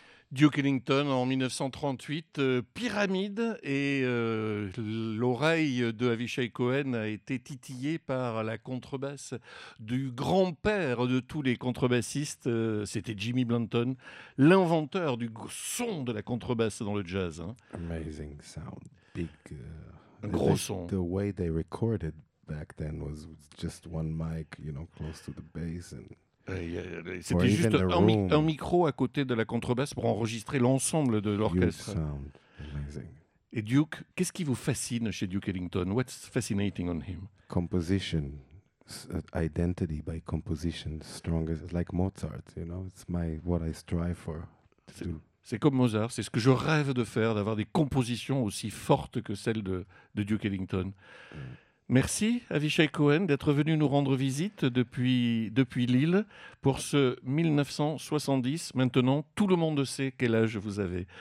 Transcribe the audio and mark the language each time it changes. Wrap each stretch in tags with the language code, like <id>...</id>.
<fr>Duke Ellington en 1938, Pyramide, et l'oreille de Avishai Cohen a été titillée par la contrebasse du grand-père de tous les contrebassistes, c'était Jimmy Blanton, l'inventeur du son de la contrebasse dans le jazz. Hein.</fr> <en>Amazing sound, big,</en> <fr>gros son.</fr> <en>The way they recorded back then was just one mic, you know, close to the bass and...</en> <fr>C'était juste un micro à côté de la contrebasse pour enregistrer l'ensemble de l'orchestre.</fr> <en>You sound amazing.</en> <fr>Et Duke, qu'est-ce qui vous fascine chez Duke Ellington?</fr> <en>What's fascinating on him? Composition. Identity by composition, strongest, like Mozart, you know, it's my what I strive for.</en> <fr>C'est comme Mozart, c'est ce que je rêve de faire, d'avoir des compositions aussi fortes que celles de Duke Ellington. Merci Avishai Cohen d'être venu nous rendre visite depuis Lille pour ce 1970. Maintenant, tout le monde sait quel âge vous avez.</fr>